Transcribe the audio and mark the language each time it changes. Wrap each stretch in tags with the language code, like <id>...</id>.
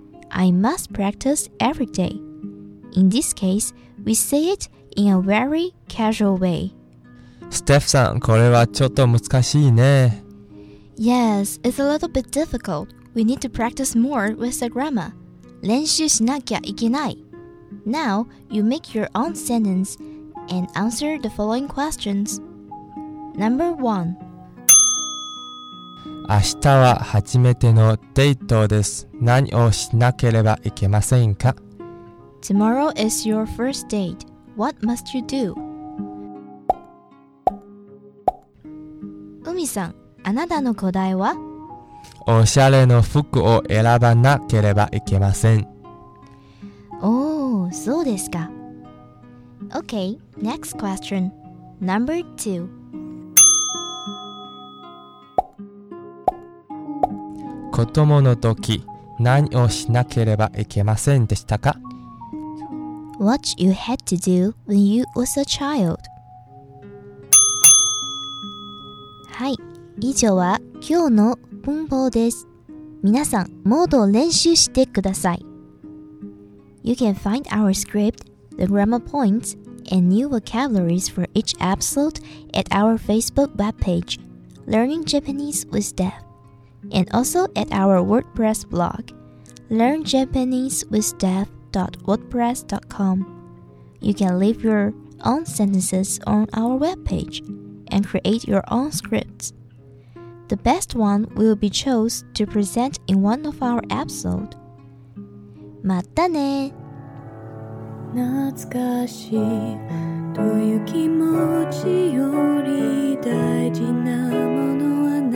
<en>I must practice every day. In this case, we say it in a very casual way.</en> <ja>Steph さん、これはちょっと難しいね。</ja> <en>Yes, it's a little bit difficult. We need to practice more with the grammar.</en> <ja>練習しなきゃいけない。</ja> <en>Now, you make your own sentence and answer the following questions. Number 1.</en> <ja>明日は初めてのデートです。何をしなければいけませんか?</ja> <en>Tomorrow is your first date. What must you do? 海さん、</en> <ja>あなたの答えは？おしゃれの服を選ばなければいけません。おお、そうですか。</ja> <en>OK, next question. Number 2.</en> <ja>子供の時、何をしなければいけませんでしたか？</ja> <en>What you had to do when you was a child?</en> <ja>はい、以上は今日の文法です。皆さん、モードを練習してください。</ja> <en>You can find our script, the grammar points, and new vocabularies for each episode at our Facebook webpage, Learning Japanese with Deb, and also at our WordPress blog, learnjapanesewithdeb.wordpress.com. You can leave your own sentences on our webpage. And create your own scripts. The best one will be chosen to present in one of our episodes.</en> <ja>またね。懐かしいという気持ちより大事なものは</ja>